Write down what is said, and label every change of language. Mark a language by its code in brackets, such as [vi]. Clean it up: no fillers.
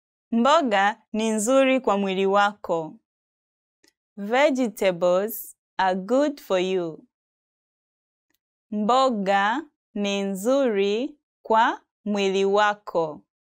[sw] Mboga ni nzuri kwa mwili wako. [en] Vegetables are good for you. [sw] Mboga ni nzuri kwa mwili wako.